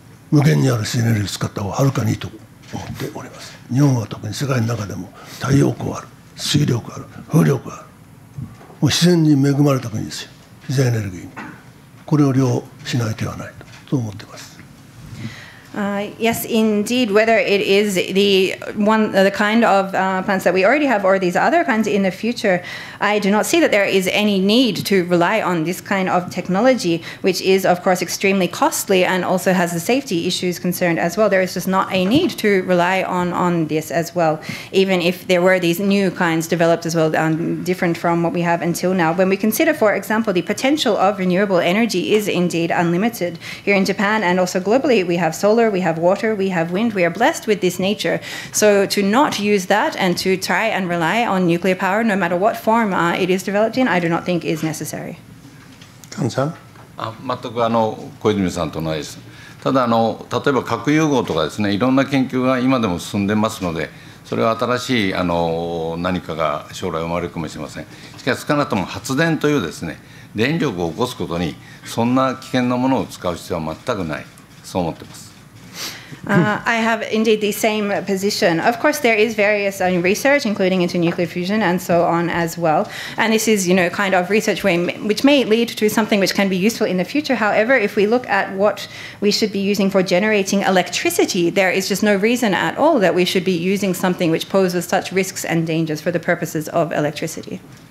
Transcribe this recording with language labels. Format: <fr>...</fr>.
<ja>無限にある新エネルギーを使った方がはるかにいいと思っております。日本は特に世界の中でも太陽光ある、水力ある、風力ある、もう自然に恵まれた国ですよ、自然エネルギーに。これを利用しない手はないと思っています。</ja> <en>Yes, indeed. Whether it is the one, the kind of plants that we already have or these other kinds in the future, I do not see that there is any need to rely on this kind of technology, which is, of course, extremely costly and also has the safety issues concerned as well. There is just not a need to rely on this as well, even if there were these new kinds developed as well, different from what we have until now. When we consider, for example, the potential of renewable energy is indeed unlimited. Here in Japan and also globally, we have solar, we have water, we have wind, we are blessed with this nature. So to not use that and to try and rely on nuclear power, no matter what form it is developed in, I do not think is necessary. Kan-san?</en> <ja>全く小泉さんと同じです。ただ例えば核融合とかですね、いろんな研究が今でも進んでますので、それは新しい何かが将来生まれるかもしれません。しかし少なくとも発電というですね、電力を起こすことにそんな危険なものを使う必要は全くない。そう思ってます。</ja> <en>I have indeed the same position. Of course, there is various research, including into nuclear fusion and so on as well. And this is, kind of research which may lead to something which can be useful in the future. However, if we look at what we should be using for generating electricity, there is just no reason at all that we should be using something which poses such risks and dangers for the purposes of electricity.</en>